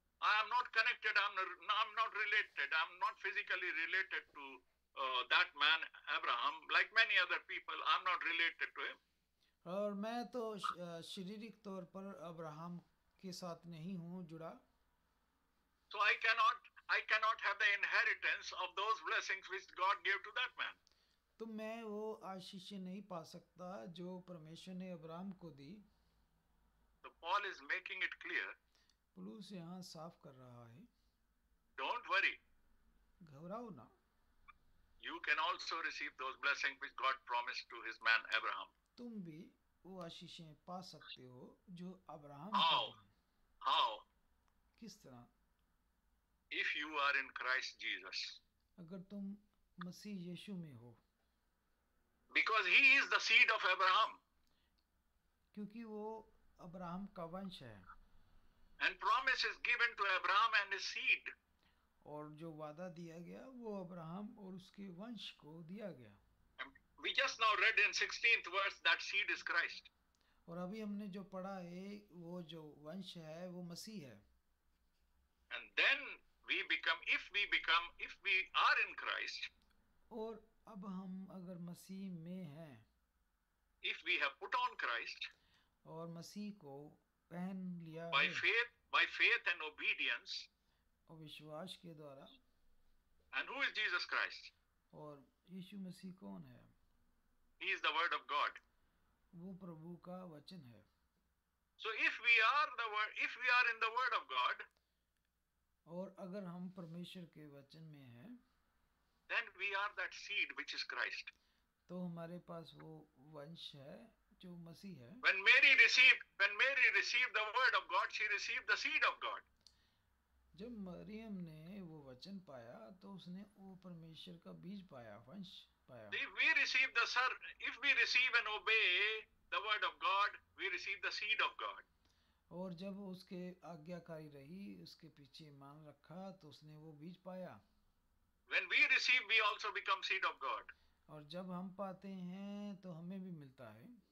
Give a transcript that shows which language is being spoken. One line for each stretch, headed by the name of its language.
English: I am not connected, I'm not related, I'm not physically related to that man Abraham. Like many other people, I'm not related to him.
Hindi: और मैं तो शारीरिक तौर पर Abraham के साथ नहीं हूँ जुड़ा.
English: So I cannot have the inheritance of those blessings which God gave to that man.
Hindi: तो मैं वो आशीष नहीं पा सकता जो परमेश्वर ने अब्राहम को दी.
English: So Paul is making it clear.
Hindi: पुलुस यहाँ साफ कर रहा है.
English: Don't worry.
Hindi: घबराओ ना.
English: You can also receive those blessings which God promised to his man Abraham.
Hindi: तुम भी वो आशीषें पा सकते हो जो अब्राहम.
English: How?
Hindi: किस तरह?
English: If you are in Christ Jesus.
Hindi: अगर तुम मसीह यीशु में हो.
English: Because he is the seed of Abraham.
Hindi: क्योंकि वो अब्राहम का वंश है.
English: And promise is given to Abraham and his seed.
Hindi: और जो वादा दिया गया वो अब्राहम और उसके वंश को दिया गया.
English: We just now read in 16th verse that seed is Christ.
Hindi: और अभी हमने जो पढ़ा है वो जो वंश है वो मसीह है.
English: And then if we are in Christ.
Hindi: और अब हम अगर मसीह में हैं.
English: If we have put on Christ.
Hindi: और मसीह को पहन लिया है।
English: By faith and obedience,
Hindi: और विश्वास के द्वारा।
English: And who is Jesus Christ?
Hindi: और यीशु मसीह कौन है?
English: He is the word of God.
Hindi: वो प्रभु का वचन है।
English: So if we are in the word of God,
Hindi: और अगर हम परमेश्वर के वचन में हैं,
English: then we are that seed which is Christ.
Hindi: तो हमारे पास वो वंश है जो मसीह है।
English: When Mary received the word of God, she received the seed of God.
Hindi: जब मरियम ने वो वचन पाया, तो उसने वो परमेश्वर का बीज पाया, वंश पाया।
English: If we receive and obey the word of God, we receive the seed of God.
Hindi: और जब उसके आज्ञाकारी रही, उसके पीछे मान रखा, तो उसने वो बीज पाया।
English: When we receive, we also become seed of God.
Hindi: और जब हम पाते हैं, तो हमें भी मिलता है।